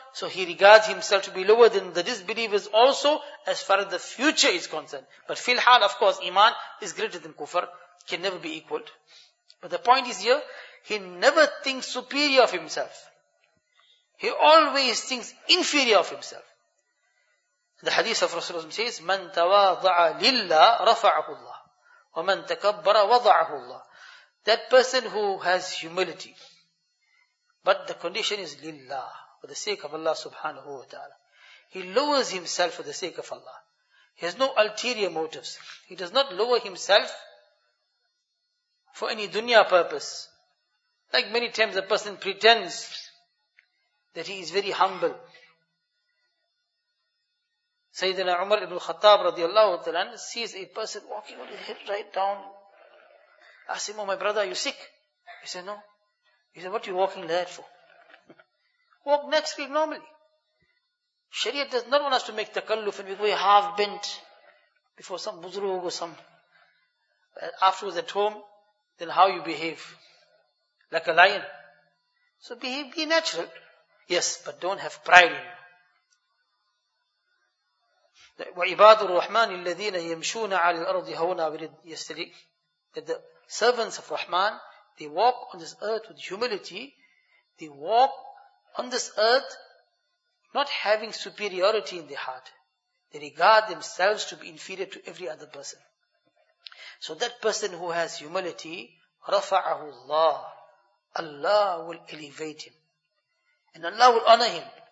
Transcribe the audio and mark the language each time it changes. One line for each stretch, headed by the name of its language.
English: So he regards himself to be lower than the disbelievers also, as far as the future is concerned. But fil hal, of course, iman is greater than kufr, can never be equaled. But the point is here, he never thinks superior of himself. He always thinks inferior of himself. The hadith of Rasulullah says,
Arabic: مَنْ تَوَاضَعَ لِلَّهِ رَفَعَهُ اللَّهِ وَمَنْ تَكَبَّرَ وَضَعَهُ اللَّهِ.
English: That person who has humility, but the condition is لِلَّهِ, for the sake of Allah subhanahu wa ta'ala. He lowers himself for the sake of Allah. He has no ulterior motives. He does not lower himself for any dunya purpose. Like many times a person pretends that he is very humble. Sayyidina Umar ibn Khattab radiallahu ta'ala sees a person walking with his head right down. Ask him, oh my brother, are you sick? He said, no. He said, what are you walking like that for? Walk next week normally. Sharia does not want us to make takalluf and we go half bent before some buzrug or some. Afterwards at home, then how you behave? Like a lion. So behave, be natural. Yes, but don't have pride in you.
Arabic: وعباد الرحمن الذين يمشون على الأرض هونا.
English: We read yesterday that the servants of Rahman, they walk on this earth with humility. They walk on this earth not having superiority in their heart. They regard themselves to be inferior to every other person. So that person who has humility,
Arabic: رفعه الله,
English: Allah will elevate him. And Allah will honor him.